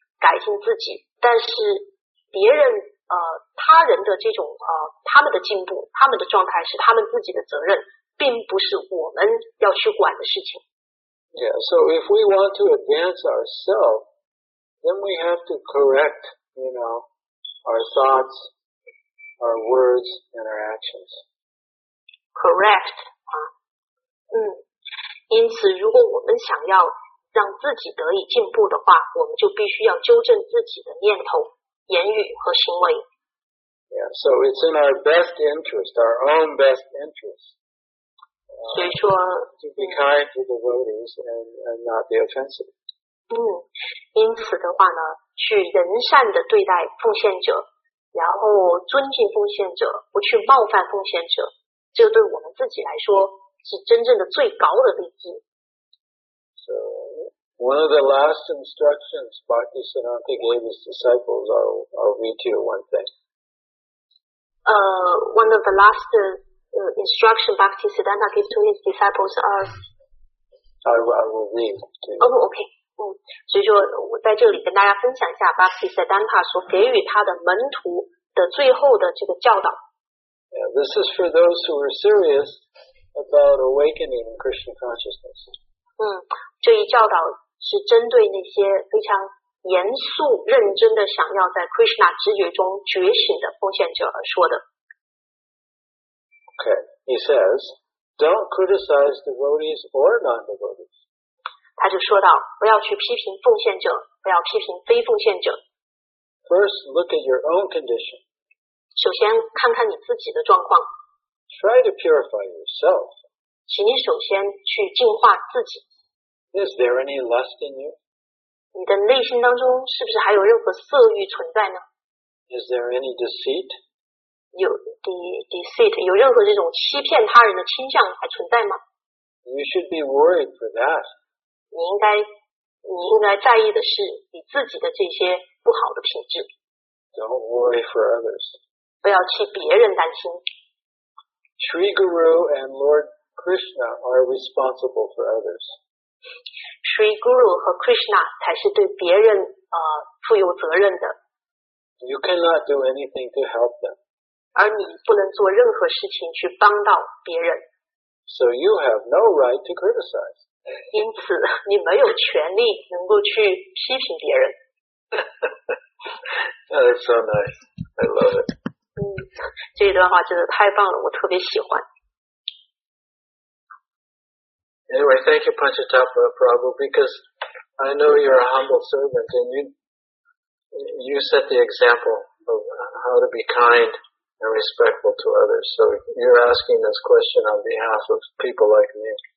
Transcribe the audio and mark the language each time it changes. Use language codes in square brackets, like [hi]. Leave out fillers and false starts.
[zh] 改进自己，但是别人他人的这种他们的进步，他们的状态是他们自己的责任，并不是我们要去管的事情。 [en] Yeah, so if we want to advance ourselves, then we have to correct, you know, our thoughts, our words, and our actions. Correct. [zh] 因此如果我们想要让自己得以进步的话，我们就必须要纠正自己的念头、言语和行为。 [en] Yeah, so it's in our best interest, our own best interest. [zh] 所以说 [en] to be kind to the devotees and not be offensive. [zh] 因此的话呢，去仁善的对待奉献者，然后尊敬奉献者，不去冒犯奉献者，这对我们自己来说是真正的最高的利益。 [en] One of the last instructions Bhakti Siddhanta gave his disciples, I'll read to you one thing. One of the last instructions Bhakti Siddhanta gave to his disciples are... I will read to you. Oh, okay. [zh] 所以说我在这里跟大家分享一下 Bhakti Siddhanta 所给予他的门徒的最后的这个教导。 [en] Yeah, this is for those who are serious about awakening in Krishna consciousness. [zh] 这一教导是针对那些非常严肃认真的想要在 Krishna 直觉中觉醒的奉献者而说的。 [en] Okay, he says, don't criticize devotees or non-devotees. [zh] 他就说到，不要去批评奉献者，不要批评非奉献者。 [en] First, look at your own condition. [zh] 首先看看你自己的状况。 [en] Try to purify yourself. [zh] 请你首先去净化自己。 [en] Is there any lust in you? [zh] 你的内心当中是不是还有任何色欲存在呢？ [en] Is there any deceit? [zh] 有 deceit, 有任何这种欺骗他人的倾向还存在吗？ [en] You should be worried for that. [zh] 你应该在意的是你自己的这些不好的品质。 [en] Don't worry for others. [zh] 不要替别人担心。 [en] Sri Guru and Lord Krishna are responsible for others. [zh] Sri Guru 和 Krishna 才是对别人负有责任的。 [en] You cannot do anything to help them. [zh] 而你不能做任何事情去帮到别人。 [en] So you have no right to criticize. [zh] 因此你没有权利能够去批评别人。 [en] That is so nice. I love it. [zh] 这一段话真的太棒了，我特别喜欢。 [en] Anyway, thank you, Panchatapa Prabhu, because I know you're a humble servant and you set the example of how to be kind and respectful to others. So you're asking this question on behalf of people like me.